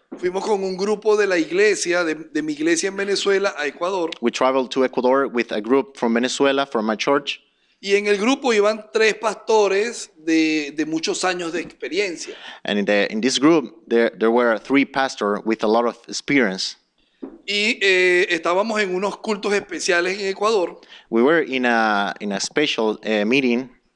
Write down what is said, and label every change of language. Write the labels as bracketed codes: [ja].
[es] Fuimos con un grupo de la iglesia, de mi iglesia en Venezuela, a Ecuador. [en] We traveled to Ecuador with a group from Venezuela, from my church. [es] Y en el grupo iban tres pastores de muchos años de experiencia. [en] And in this group, there were three pastors with a lot of experience. [es] Y estábamos en unos cultos especiales en Ecuador. [en] We were in a special meeting.